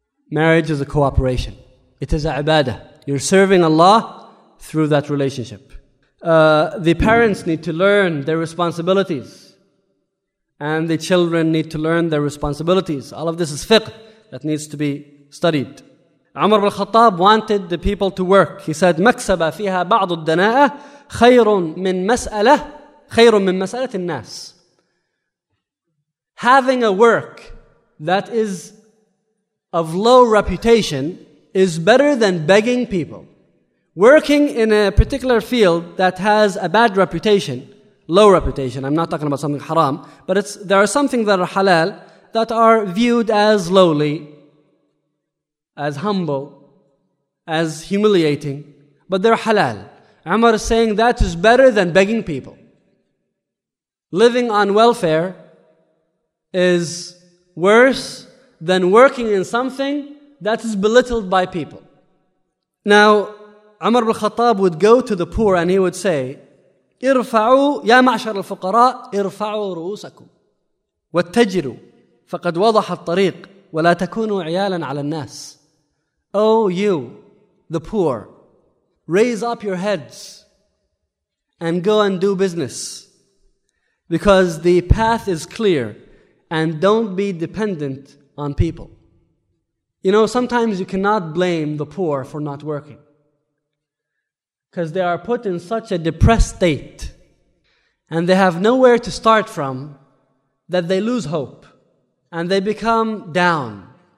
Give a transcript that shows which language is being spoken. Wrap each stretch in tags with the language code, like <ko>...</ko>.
<en>Marriage is a cooperation. It is a ibadah. You're serving Allah through that relationship. The parents need to learn their responsibilities. And the children need to learn their responsibilities. All of this is fiqh that needs to be studied. Umar ibn Khattab wanted the people to work. He said,</en> <ar>مَكْسَبَ فِيهَا بَعْضُ الدَّنَاءَ خَيْرٌ مِّن مَسْأَلَةِ النَّاسِ.</ar> <en>Having a work that is of low reputation is better than begging people. Working in a particular field that has a bad reputation, low reputation, I'm not talking about something haram, but there are some things that are halal that are viewed as lowly, as humble, as humiliating, but they're halal. Umar is saying that is better than begging people. Living on welfare is worse than working in something that is belittled by people. Now, Umar ibn Khattab would go to the poor and he would say,</en> <ar>ارفعوا يا معشر الفقراء ارفعوا رؤوسكم واتجروا فقد وضح الطريق ولا تكونوا عيالا على الناس.</ar> <en>Oh you, the poor, raise up your heads and go and do business, because the path is clear, and don't be dependent on people. You know, sometimes you cannot blame the poor for not working, because they are put in such a depressed state and they have nowhere to start from that they lose hope and they become down.</en>